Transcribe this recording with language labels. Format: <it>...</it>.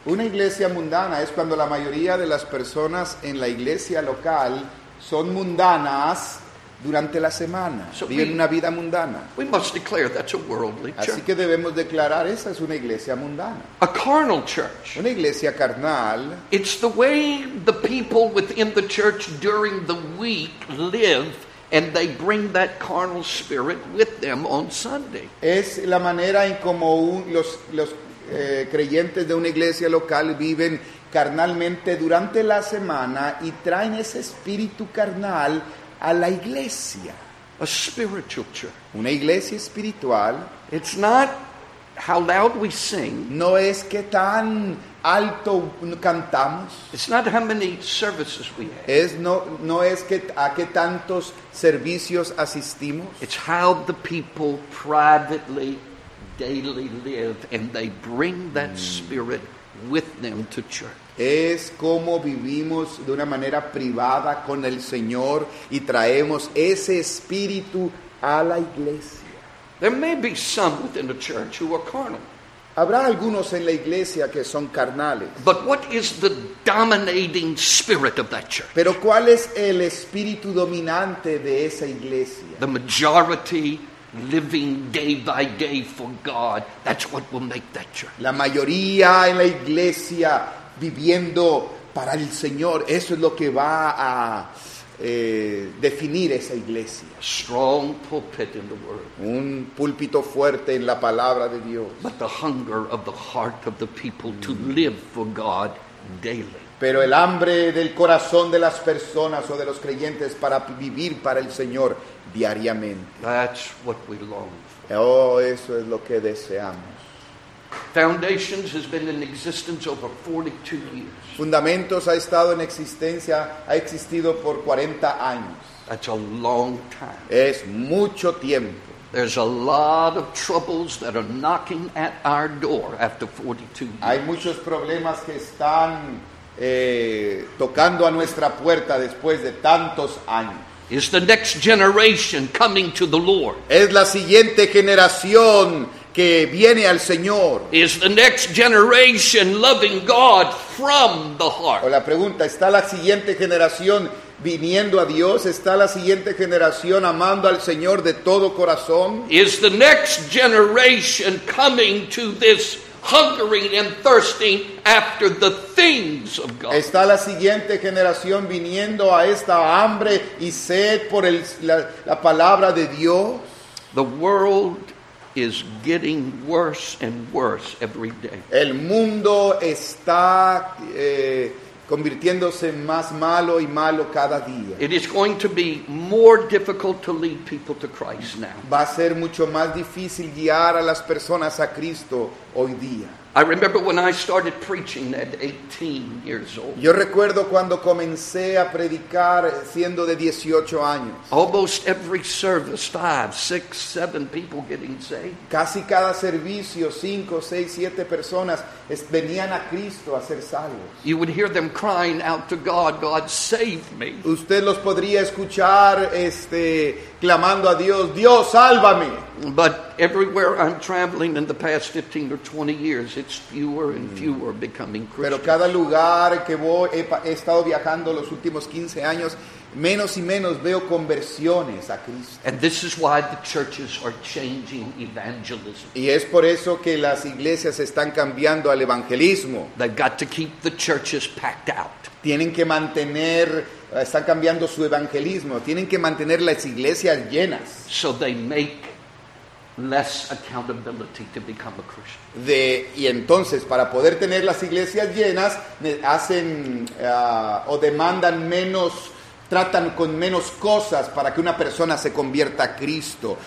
<es>Una iglesia mundana es cuando la mayoría de las personas en la iglesia local son mundanas durante la semana.</es> <en>So</en> <es>viven una vida mundana.</es> <en>We must declare that's a worldly church.</en> <es>Así que debemos declarar esa es una iglesia mundana.</es> <en>A carnal church.</en> <es>Una iglesia carnal.</es> <en>It's the way the people within the church during the week live. And they bring that carnal spirit with them on Sunday.</en> <es>Es la manera en como creyentes de una iglesia local viven carnalmente durante la semana y traen ese espíritu carnal a la iglesia.</es> <en>A spiritual church.</en> <es>Una iglesia espiritual.</es> <en>It's not how loud we sing.</en> <es>No es qué tan alto cantamos.</es> <en>It's not how many services we have.</en> <es>Es no es que a qué tantos servicios asistimos.</es> <en>It's how the people privately daily live and they bring that spirit with them to church.</en> <es>Es como vivimos de una manera privada con el Señor y traemos ese espíritu a la iglesia.</es> <en>There may be some within the church who are carnal.</en> <es>Habrá algunos en la iglesia que son carnales.</es> <en>But what is the dominating spirit of that church?</en> <es>Pero ¿cuál es el espíritu dominante de esa iglesia?</es> <en>The majority living day by day for God. That's what will make that church.</en> <es>La mayoría en la iglesia viviendo para el Señor. Eso es lo que va a definir esa iglesia.</es> <en>Strong pulpit in the word.</en> <es>Un púlpito fuerte en la palabra de Dios.</es> <en>But the hunger of the heart of the people to live for God daily.</en> <es>Pero el hambre del corazón de las personas o de los creyentes para vivir para el Señor diariamente.</es> <en>That's what we long for.</en> <es>Oh, eso es lo que deseamos.</es> <en>Foundations has been in existence over 42 years.</en> <es>Fundamentos ha estado en existencia, ha existido por 40 años.</es> <en>That's a long time.</en> <es>Es mucho tiempo.</es> <en>There's a lot of troubles that are knocking at our door after 42 years.</en> <es>Hay muchos problemas que están tocando a nuestra puerta después de tantos años.</es> <en>Is the next generation coming to the Lord?</en> <es>Es la siguiente generación que viene al Señor.</es> <en>Is the next generation loving God from the heart?</en> <es>O la pregunta, ¿está la siguiente generación viniendo a Dios? ¿Está la siguiente generación amando al Señor de todo corazón?</es> <en>Is the next generation coming to this hungering and thirsting after the things of God?</en> <es>¿Está la siguiente generación viniendo a esta hambre y sed por la palabra de Dios?</es> <en>The world is getting worse and worse every day.</en> <es>El mundo está convirtiéndose más malo y malo cada día.</es> <en>It is going to be more difficult to lead people to Christ now.</en> <es>Va a ser mucho más difícil guiar a las personas a Cristo hoy día.</es> <en>I remember when I started preaching at 18 years old.</en> <es>Yo recuerdo cuando comencé a predicar siendo de 18 años.</es> <en>Almost every service, 5, 6, 7 people getting saved.</en> <es>Casi cada servicio, 5, 6, 7 personas venían a Cristo a ser salvos.</es> <en>You would hear them crying out to God, God save me.</en> <es>Usted los podría escuchar clamando a Dios, Dios sálvame.</es> <en>But everywhere I'm traveling in the past 15 or 20 years, it's fewer and fewer becoming Christians.</en> <es>Pero cada lugar que voy, he estado viajando los últimos 15 años, menos y menos veo conversiones a Cristo.</es> <en>And this is why the churches are changing evangelism.</en> <es>Y es por eso que las iglesias están cambiando al evangelismo.</es> <en>They've got to keep the churches packed out.</en> <es>Tienen que mantener, están cambiando su evangelismo. Tienen que mantener las iglesias llenas.</es> <en>So they make less accountability to become a Christian.</en> <es>Y entonces, para poder tener las iglesias llenas, hacen o demandan menos, tratan con menos cosas para que una persona se convierta a Cristo.</es>